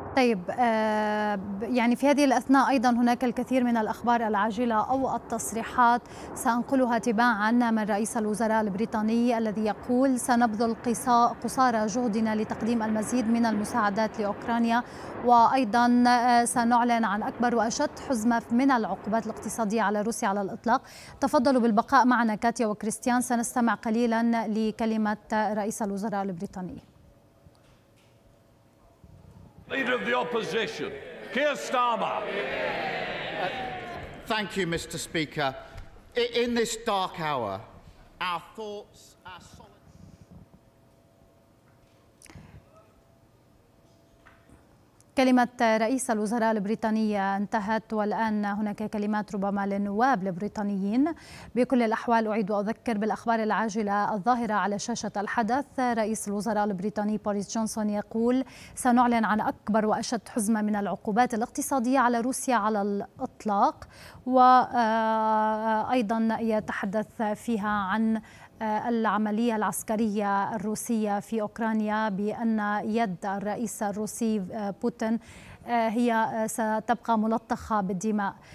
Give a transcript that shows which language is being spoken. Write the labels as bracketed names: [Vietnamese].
[Arabic] طيب يعني في هذه الأثناء أيضا هناك الكثير من الأخبار العاجلة أو التصريحات سأنقلها تباعا من رئيس الوزراء البريطاني الذي يقول سنبذل قصارى جهدنا لتقديم المزيد من المساعدات لأوكرانيا، وأيضا سنعلن عن أكبر وأشد حزمة من العقوبات الاقتصادية على روسيا على الإطلاق. تفضلوا بالبقاء معنا كاتيا وكريستيان، سنستمع قليلا لكلمة رئيس الوزراء البريطاني. [English] Leader of the Opposition, Keir Starmer. Thank you, Mr. Speaker. In this dark hour, our thoughts are solid. [Arabic] كلمة رئيس الوزراء البريطانية انتهت، والآن هناك كلمات ربما للنواب البريطانيين. بكل الأحوال أعيد وأذكر بالأخبار العاجلة الظاهرة على شاشة الحدث. رئيس الوزراء البريطاني بوريس جونسون يقول سنعلن عن أكبر وأشد حزمة من العقوبات الاقتصادية على روسيا على الإطلاق، وأيضا يتحدث فيها عن العملية العسكرية الروسية في أوكرانيا بأن يد الرئيس الروسي بوتين هي ستبقى ملطخة بالدماء.